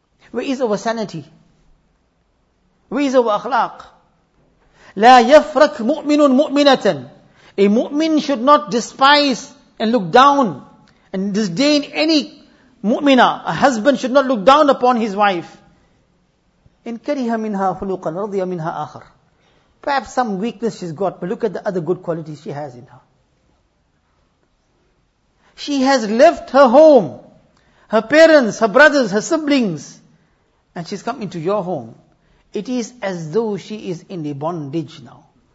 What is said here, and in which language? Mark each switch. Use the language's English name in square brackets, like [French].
[English] Where is our sanity? Where is our akhlaq? [Arabic] لا يفرق مؤمن مؤمنة. [English] A mu'min should not despise and look down and disdain any mu'mina. A husband should not look down upon his wife. [Arabic] إن كره منها خلقا رضي منها آخر. [English] Perhaps some weakness she's got, but look at the other good qualities she has in her. She has left her home, her parents, her brothers, her siblings, and she's come into your home. It is as though she is in a bondage now.